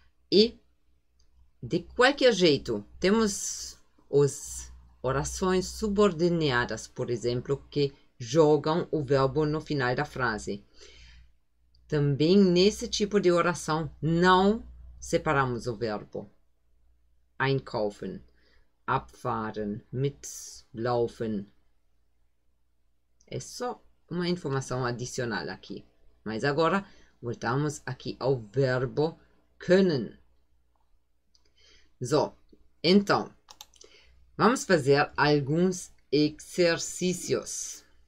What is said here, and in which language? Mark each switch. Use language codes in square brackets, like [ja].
[pt] E, de qualquer jeito, temos as orações subordinadas, por exemplo, que jogam o verbo no final da frase. Também nesse tipo de oração, não separamos o verbo. [de] Einkaufen, abfahren, mitlaufen. [pt] É só uma informação adicional aqui. Mas agora, voltamos aqui ao verbo können. So, então, vamos fazer alguns exercícios.